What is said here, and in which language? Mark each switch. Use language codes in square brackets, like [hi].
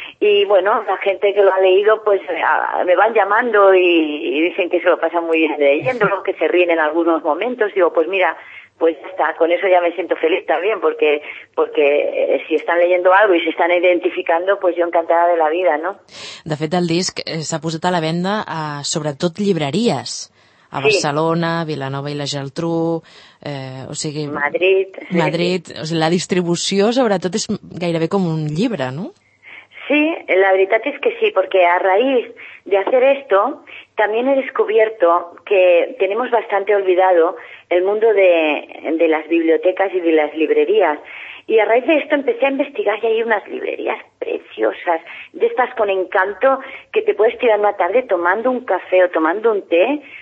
[es] Y bueno, la gente que lo ha leído pues me van llamando y dicen que se lo pasan muy bien leyéndolo, que se ríen en algunos momentos. Digo, pues mira, pues está, con eso ya me siento feliz también, porque si están leyendo algo y se están identificando, pues yo encantada de la vida, ¿no? [ca] De fet, el disc s'ha posat a la venda a sobretot llibreries. A Barcelona, sí. Vilanova i la Geltrú, o sigui... Madrid. Sí. Madrid, o sigui, la distribució, sobretot, és gairebé com un llibre, no? Sí, la veritat és que sí, perquè a raïs de [es] hacer esto, también he descubierto que tenemos bastante olvidado el mundo de las bibliotecas y de las librerías. Y a raíz de esto empecé a investigar y hay unas librerías preciosas, de estas con encanto, que te puedes tirar una tarde tomando un café o tomando un té...